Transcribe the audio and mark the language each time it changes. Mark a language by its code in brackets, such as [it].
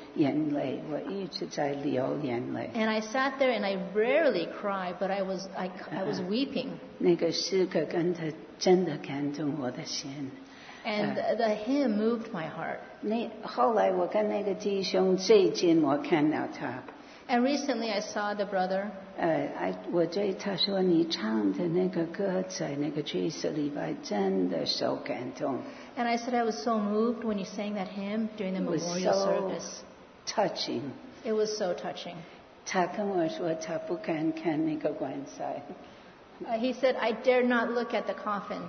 [zh] 我坐在那里，我很少流眼泪，我一直在流眼泪。 [en] And I sat there and I rarely cry, but I was weeping. [zh] 那个诗歌真的感动我的心。 [en] And the hymn moved my heart. [zh] 后来我跟那个弟兄最近我看到他。 [en] And recently I saw the brother. [zh] 我对他说，你唱的那个歌在那个这一次礼拜真的受感动。 [en] And I said I was so moved when you sang that hymn during the memorial service. It was so touching. It was so touching. [zh] 他跟我说他不敢看那个棺材。 [en] He said I dared not look at the coffin.